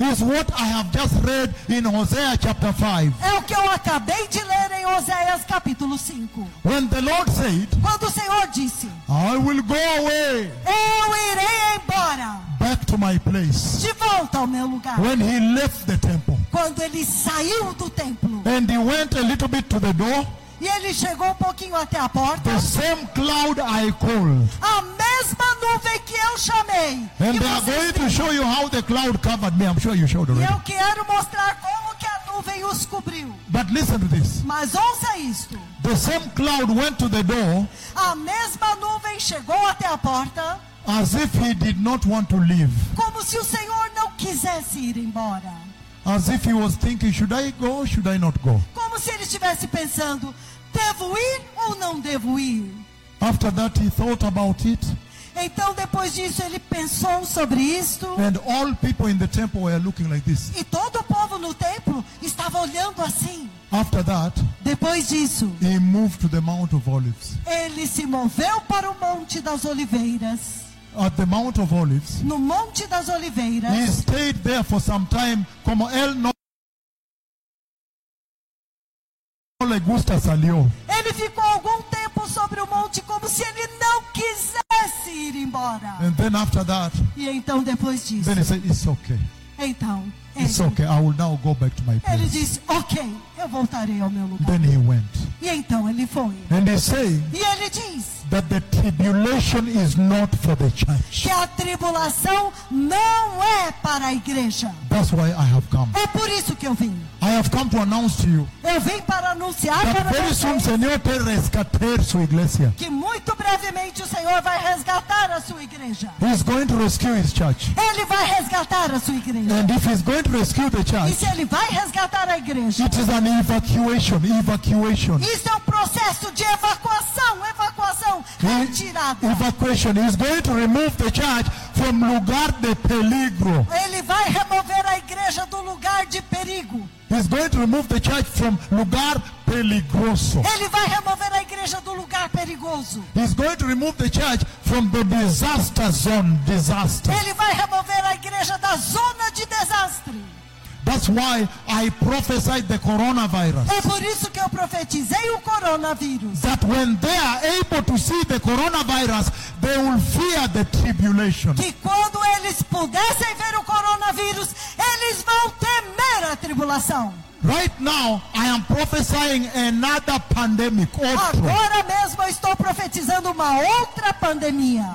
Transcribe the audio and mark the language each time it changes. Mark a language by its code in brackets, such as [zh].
[en] Is what I have just read in Hosea chapter 5. [pt] É o que eu acabei de ler em Oséias capítulo 5. [en] When the Lord said. [pt] Quando o Senhor disse. [en] I will go away. [pt] Eu irei embora. [en] Back to my place. [pt] De volta ao meu lugar. [en] When he left the temple. [pt] Quando ele saiu do templo. [en] And he went a little bit to the door. [pt] E ele chegou um pouquinho até a porta. [en] The same cloud I called. [pt] A mesma nuvem que eu chamei. [en] And they are going to show you how the cloud covered me. I'm sure you showed already. [pt] E eu quero mostrar como que a nuvem os cobriu. [en] But listen to this. [pt] Mas ouça isto. [en] The same cloud went to the door. [pt] A mesma nuvem chegou até a porta. [en] As if he did not want to leave. [pt] Como se o Senhor não quisesse ir embora. [en] As if he was thinking, should I go or should I not go? [pt] Como se ele estivesse pensando, devo ir ou não devo ir? [en] After that he thought about it. [pt] Então depois disso ele pensou sobre isto. [en] And all people in the temple were looking like this. [pt] E todo o povo no templo estava olhando assim. [en] After that, [pt] depois disso, [en] he moved to the Mount of Olives. [pt] Ele se moveu para o Monte das Oliveiras. [en] At the Mount of Olives. [pt] No Monte das Oliveiras. [en] He stayed there for some time. [es] Como El não lhe gusta salió. [pt] Ele ficou algum tempo sobre o monte como se ele não quisesse ir embora. [en] And then after that. [pt] E então depois disso. [en] Then he said, it's okay. [pt] Então. [en] It's okay. I will now go back to my place. [pt] Ele disse, ok, eu voltarei ao meu lugar. [en] Then he went. [pt] E então ele foi. [en] And he say, [pt] e ele diz. [en] That the tribulation is not for the church. [pt] Que a tribulação não é para a igreja. [en] That's why I have come. [pt] É por isso que eu vim. [en] I have come to announce to you. [pt] Eu vim para anunciar para vocês. [en] Very soon, [es] Senhor, te rescatar sua iglesia. [pt] Que muito brevemente o Senhor vai resgatar a sua igreja. [en] He is going to rescue his church. [pt] Ele vai resgatar a sua igreja. [en] And if he's going to rescue the church. [pt] E se ele vai resgatar a igreja. [en] It is an evacuation, evacuation. [pt] Isso é um processo de evacuação, evacuação. [en] Evacuation. He's going to remove the church from [es] lugar de peligro. [pt] Ele vai remover a igreja do lugar de perigo. [en] He's going to remove the church from [es] lugar peligroso. [pt] Ele vai remover a igreja do lugar perigoso. [en] He's going to remove the church from the disaster zone. Disaster. [pt] Ele vai remover a igreja da zona de desastre. [en] That's why I prophesied the coronavirus. [pt] É por isso que eu profetizei o coronavírus. [en] That when they are able to see the coronavirus, they will fear the tribulation. [pt] Que quando eles pudessem ver o coronavírus, eles vão temer a tribulação. [en] Right now, I am prophesying another pandemic. Outro. [pt] Agora mesmo eu estou profetizando uma outra pandemia.